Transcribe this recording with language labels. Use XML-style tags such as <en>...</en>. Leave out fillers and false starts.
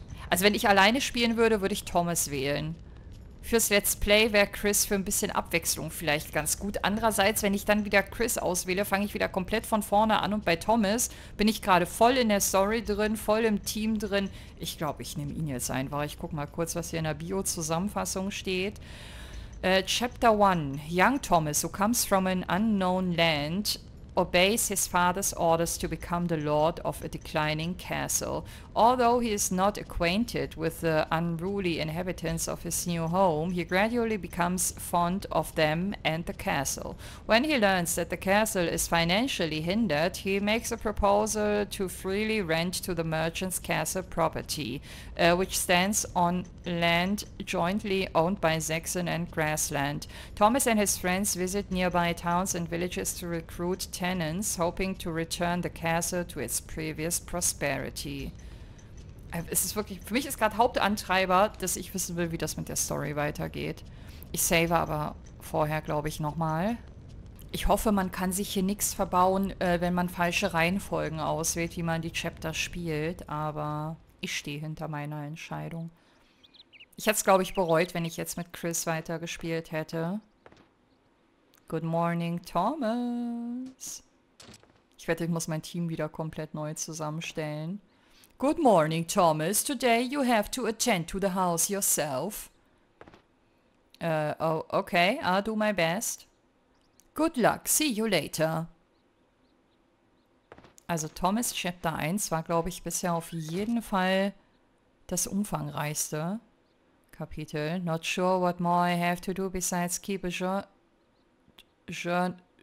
<de>Also, wenn ich alleine spielen würde, würde ich Thomas wählen. Fürs Let's Play wäre Chris für ein bisschen Abwechslung vielleicht ganz gut. Andererseits, wenn ich dann wieder Chris auswähle, fange ich wieder komplett von vorne an und bei Thomas bin ich gerade voll in der Story drin, voll im Team drin. Ich glaube, ich nehme ihn jetzt ein. Warte, ich guck mal kurz, was hier in der Bio-Zusammenfassung steht.</de> <en>Chapter 1. Young Thomas, who comes from an unknown land, obeys his father's orders to become the lord of a declining castle. Although he is not acquainted with the unruly inhabitants of his new home, he gradually becomes fond of them and the castle. When he learns that the castle is financially hindered, he makes a proposal to freely rent to the merchant's castle property, which stands on land jointly owned by Saxon and Grassland. Thomas and his friends visit nearby towns and villages to recruit tenants, hoping to return the castle to its previous prosperity.</en> <de>Es ist wirklich, für mich ist gerade Hauptantreiber, dass ich wissen will, wie das mit der Story weitergeht. Ich save aber vorher, glaube ich, nochmal. Ich hoffe, man kann sich hier nichts verbauen, wenn man falsche Reihenfolgen auswählt, wie man die Chapter spielt. Aber ich stehe hinter meiner Entscheidung. Ich hätte es, glaube ich, bereut, wenn ich jetzt mit Chris weitergespielt hätte.</de> <en>Good morning,</en> <de>Thomas. Ich wette, ich muss mein Team wieder komplett neu zusammenstellen.</de> <en>Good morning, Thomas. Today you have to attend to the house yourself. Oh, okay. I'll do my best. Good luck. See you later.</en> <de>Also Thomas Chapter 1 war, glaube ich, bisher auf jeden Fall das umfangreichste Kapitel.</de> <en>Not sure what more I have to do besides keep a Journal?</en>